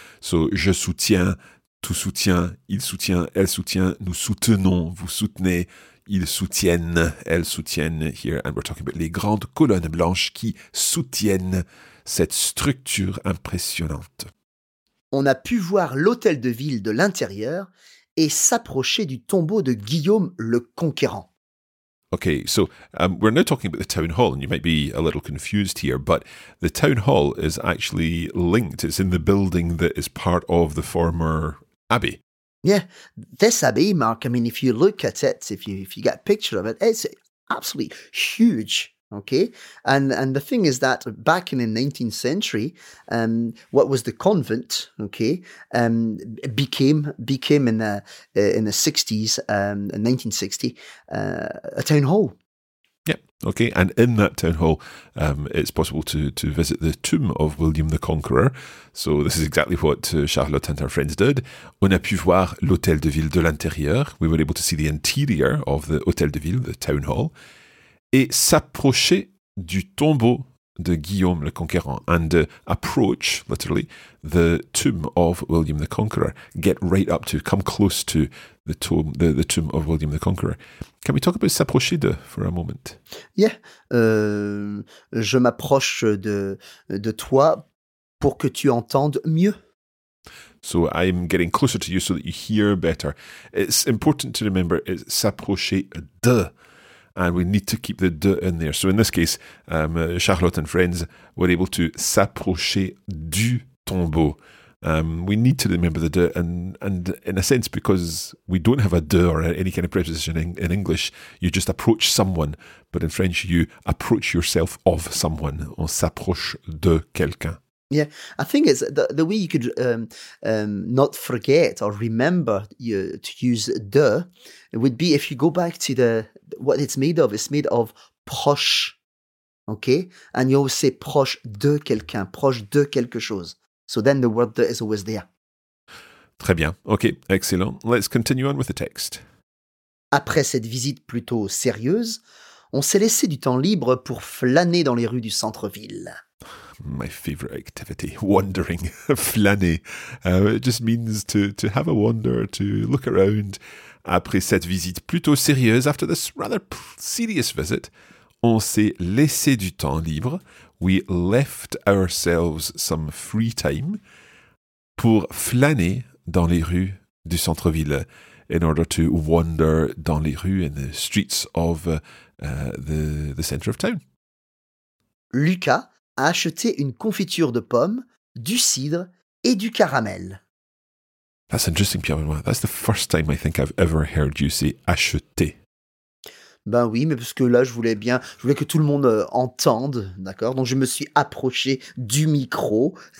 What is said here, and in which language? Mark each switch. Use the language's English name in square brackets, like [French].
[French] So je soutiens, tu soutiens, il soutient, elle soutient, nous soutenons, vous soutenez, ils soutiennent, elles soutiennent here. [English] And we're talking about [French] les grandes colonnes blanches qui soutiennent cette structure impressionnante. On a pu voir l'hôtel de ville de l'intérieur et s'approcher du tombeau de Guillaume le Conquérant. [English] Okay, so we're now talking about the town hall, and you might be a little confused here, but the town hall is actually linked. It's in the building that is part of the former abbey. Yeah, this abbey, Mark, I mean, if you look at it, if you get a picture of it, it's absolutely huge. Okay, and the thing is that back in the 19th century, what was the convent? Okay, became in the 60s, 1960, a town hall. Yep. Okay, and in that town hall, it's possible to visit the tomb of William the Conqueror. So this is exactly what Charlotte and her friends did. [French] On a pu voir l'hôtel de ville de l'intérieur. [English] We were able to see the interior of the hôtel de ville, the town hall. [French] Et s'approcher du tombeau de Guillaume le Conquérant, [English] and approach, literally, the tomb of William the Conqueror. Get right up to, come close to the tomb of William the Conqueror. Can we talk about s'approcher de for a moment? [French] Yeah, je m'approche de toi pour que tu entendes mieux. [English] So I'm getting closer to you so that you hear better. It's important to remember, it's s'approcher de. And we need to keep the de in there. So in this case, Charlotte and friends were able to [French] s'approcher du tombeau. [English] We need to remember the de, and in a sense, because we don't have a de or any kind of preposition in English, you just approach someone. But in French, you approach yourself of someone. [French] On s'approche de quelqu'un. [English] Yeah, I think it's the way you could not forget or remember to use de would be if you go back to the what it's made of. It's made of proche, okay? And you always say [French] proche de quelqu'un, proche de quelque chose. [English] So then the word de is always there. [French] Très bien. [English] Okay, excellent. Let's continue on with the text. [French] Après cette visite plutôt sérieuse, on s'est laissé du temps libre pour flâner dans les rues du centre-ville. [English] My favorite activity, wandering, flâner. It just means to have a wander, to look around. [French] Après cette visite plutôt sérieuse, [English] after this rather serious visit, [French] on s'est laissé du temps libre. [English] We left ourselves some free time [French] pour flâner dans les rues du centre-ville. [English] In order to wander [French] dans les rues, [English] in the streets of the center of town. [French] Lucas a acheté une confiture de pommes, du cidre et du caramel. [English] That's interesting, Pierre-Benoît. That's the first time I think I've ever heard you say acheter. [French] Ben oui, mais parce que là, je voulais que tout le monde entende, d'accord? Donc, je me suis approché du micro.